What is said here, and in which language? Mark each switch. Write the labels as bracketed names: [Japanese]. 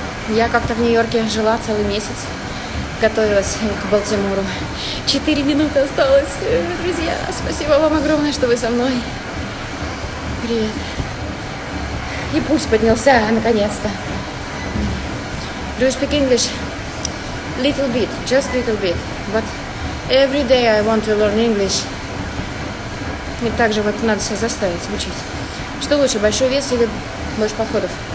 [Russian] Я как-то в Нью-Йорке жила целый месяц. Готовилась к Балтимору. 4 минуты осталось. Друзья, спасибо вам огромное, что вы со мной. Привет. И пусть поднялся, наконец-то. [English] Do you speak English? Little bit, just little bit. But every day I want to learn English. [Russian] И также вот надо себя заставить учить. Что лучше, большой вес или больше походов?